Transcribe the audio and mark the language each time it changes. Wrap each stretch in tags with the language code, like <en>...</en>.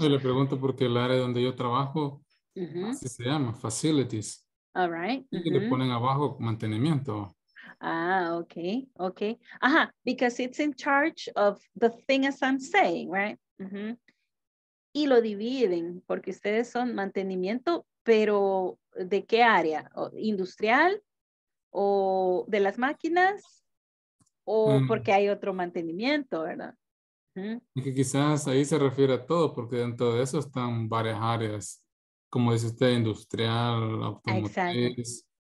<es>Yo le pregunto porque el área donde yo trabajo, mm-hmm, así se llama, facilities.</es> <en>All right.</en> <es>Y mm-hmm, le ponen abajo mantenimiento.</es> <en>Ah, okay. Ajá, because it's in charge of the thing as I'm saying, right? Mm-hmm.</en> <es>Y lo dividen porque ustedes son mantenimiento, pero ¿de qué área? ¿Industrial? ¿O de las máquinas? ¿O porque hay otro mantenimiento, verdad? Y que quizás ahí se refiere a todo, porque dentro de eso están varias áreas, como dice usted, industrial, automotriz.</es>